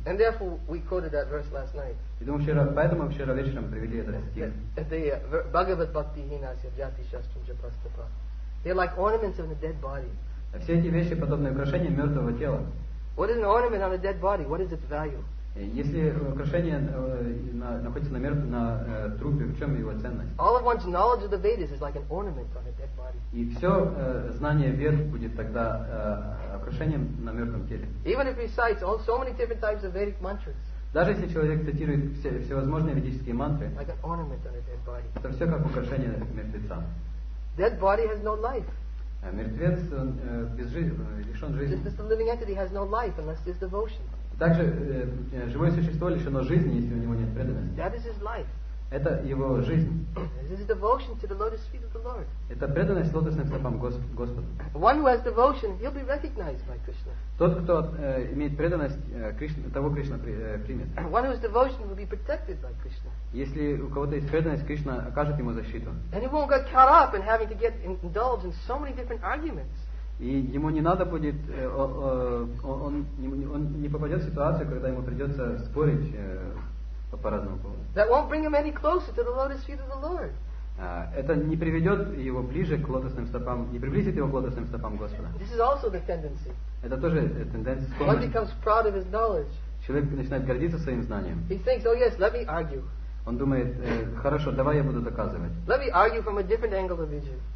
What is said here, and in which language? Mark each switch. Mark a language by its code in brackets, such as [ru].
[en] And therefore we quoted that verse last night. [ru] И думаю, вчера, поэтому мы вчера вечером привели этот стих. [sa] The Bhagavad Bhakti Hinasya Jati Shastram Japastapa. [en] They're like ornaments on a dead body. [ru] Все эти вещи подобные украшения мертвого тела. [en] What is an ornament on a dead body? What is its value? [ru] Если украшение находится на мертвом на трупе, в чем его ценность? [en] All of one's knowledge of the Vedas is like an ornament on a dead body. [ru] И все знание Вед будет тогда украшением на мертвом теле. [en] Even if he recites all so many different types of Vedic mantras. [ru] Даже если человек цитирует всевозможные ведические мантры, [en] like an ornament on a dead body. [ru] Это все как украшение мертвеца. [en] Dead body has no life. [ru] Мертвец он без жизни, лишен жизни. [en] Just as the living entity has no life unless there's devotion. [ru] Также живое существо лишено жизни, если у него нет преданности. [en] That is his life. [ru] Это его жизнь. [en] This is devotion to the lotus feet of the Lord. [ru] Это преданность лотосным стопам Господа. [en] One who has devotion, he'll be recognized by Krishna. [ru] Тот, кто имеет преданность Кришне, того Кришна примет. [en] One who has devotion will be protected by Krishna. [ru] Если у кого-то есть преданность, Кришна окажет ему защиту. [en] And he won't get caught up in having to get indulged in so many different arguments. [ru] И ему не надо будет, он не попадет в ситуацию, когда ему придется спорить по разному поводу. [en] That won't bring him any closer to the lotus feet of the Lord. [ru] Это не приведет его ближе к лотосным стопам, не приблизит его к лотосным стопам Господа. [en] This is also the tendency. [ru] Это тоже тенденция. [en] One becomes proud of his knowledge. [ru] Человек начинает гордиться своим знанием. [en] He thinks, oh yes, let me argue. [ru] Он думает, хорошо, давай я буду доказывать. [en] Let me argue from a different angle of vision.